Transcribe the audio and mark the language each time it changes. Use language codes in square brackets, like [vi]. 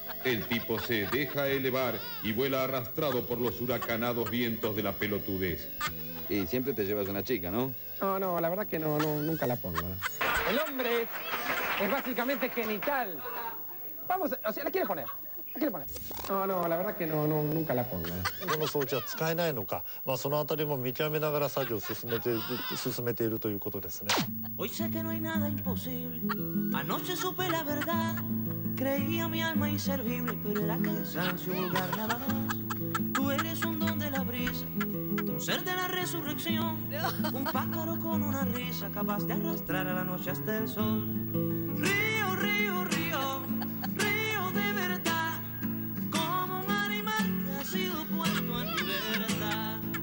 [es] El tipo se deja elevar y vuela arrastrado por los huracanados vientos de la pelotudez. Y siempre te llevas una chica, ¿no? No, no, la verdad que no, nunca la pongo. El hombre es básicamente genital. Vamos, o sea, la quiere poner. No, no, la verdad que no, nunca la pongo. [ja] この装置は使えないのか、まあそのあたりも見極めながら作業を進めているということですね。 [es] Hoy sé que no hay nada imposible. Anoche supe la verdad. Creía mi alma inservible, pero era cansancio vulgar nada más. Tú eres un don de la brisa. Un ser de la resurrección, un pájaro con una risa capaz de arrastrar a la noche hasta el sol. Río, río, río, río de verdad, como un animal que ha sido puesto en libertad.